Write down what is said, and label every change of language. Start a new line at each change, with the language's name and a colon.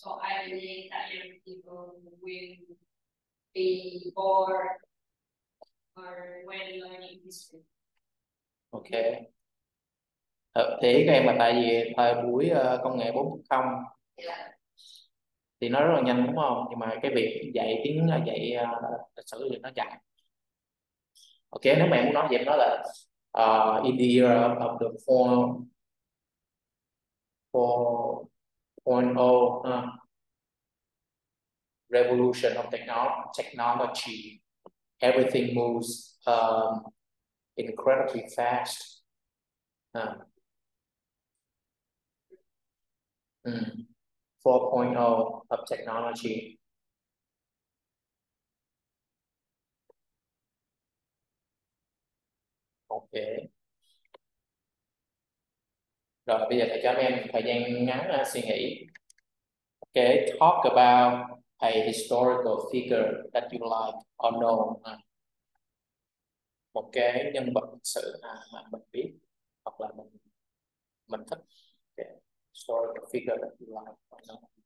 English: So I believe that young people will be bored or when learning history.
Vietnamese: Ok, thì cái mà tại vì thời buổi công nghệ 4.0 thì nó rất là nhanh đúng không, nhưng mà cái việc dạy tiếng dạy lịch sử thì nó chậm.
English: Ok,
Vietnamese: nếu mà em muốn nói gì em nói là
English: in the era of the 4.0 revolution of technology, everything moves incredibly fast. Ừ. 4.0 of technology. Ok.
Vietnamese: Rồi bây giờ thầy cho em thời gian ngắn suy nghĩ.
English: Ok, talk about a historical figure that you like or know.
Vietnamese: Một cái nhân vật sự mà mình biết hoặc là mình thích.
English: Okay. Historical figure that you like or know.